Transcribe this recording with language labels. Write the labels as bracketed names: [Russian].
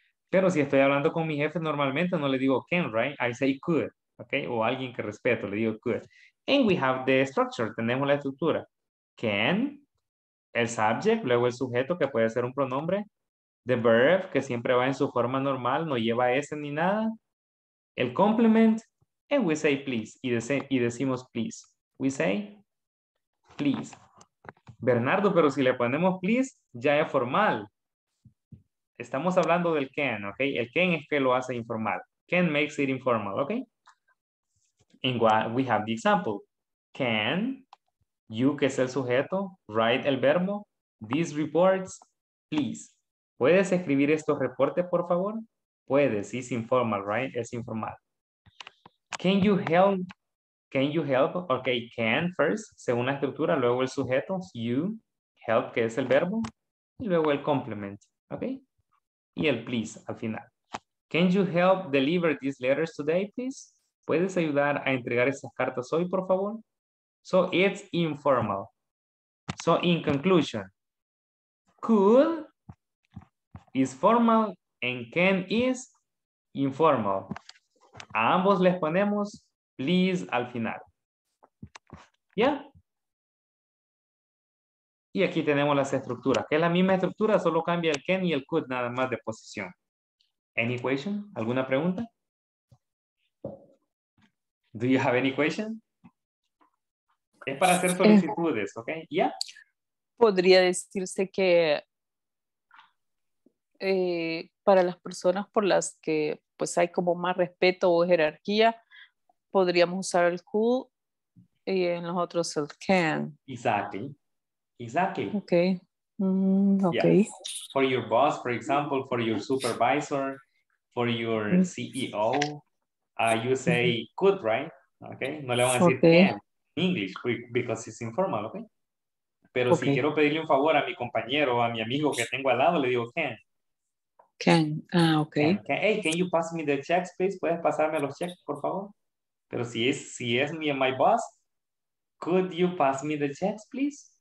[Spanish] Pero si estoy hablando con mi jefe normalmente, no le digo can, [English] right? I say could, okay? [Spanish] O alguien que respeto, le digo could. [English] And we have the structure, [Spanish] tenemos la estructura. Can, el subject, luego el sujeto, que puede ser un pronombre. The verb, que siempre va en su forma normal, no lleva S ni nada. El complement, [English] and we say please, [Spanish] y decimos please. [English] We say please. [Spanish] Bernardo, pero si le ponemos please, ya es formal. Estamos hablando del can, ¿ok? El can es que lo hace informal. [English] Can makes it informal, ¿ok? In what we have the example, can you, [Spanish] que es el sujeto, [English] write el verbo, these reports, please. [Spanish] ¿Puedes escribir estos reportes, por favor? Puedes, [English] it's informal, right? [Spanish] Es informal. Can you help, okay, can first, según la estructura, luego el sujeto, you, help, que es el verbo, y luego el complement, okay? Y el please, al final. [English] Can you help deliver these letters today, please? [Spanish] ¿Puedes ayudar a entregar esas cartas hoy, por favor? [English] So, it's informal. So, in conclusion, could is formal and can is informal. [Spanish] A ambos les ponemos please al final. ¿Yeah? Y aquí tenemos las estructuras, que es la misma estructura, solo cambia el can y el could nada más de posición. [English] Any question? [Spanish] ¿Alguna pregunta? [English] Do you have any question? [Spanish] Es para hacer solicitudes, ¿ok? ¿Ya? Podría decirse que para las personas por las que pues hay como más respeto o jerarquía, podríamos usar el could y en los otros el can. [English] Exactly. Okay. Okay. Yes. For your boss, for example, for your supervisor, for your CEO, you say could, right? Okay. [Spanish] No le van a decir [English] okay. can in English because it's informal, okay? [Spanish] Pero okay. si quiero pedirle un favor a mi compañero, a mi amigo que tengo al lado, le digo can. [English] Can. Ah, okay. Can. Hey, can you pass me the checks, please? [Spanish] ¿Puedes pasarme los checks, por favor? Pero si es [English] me and my boss, could you pass me the checks, please?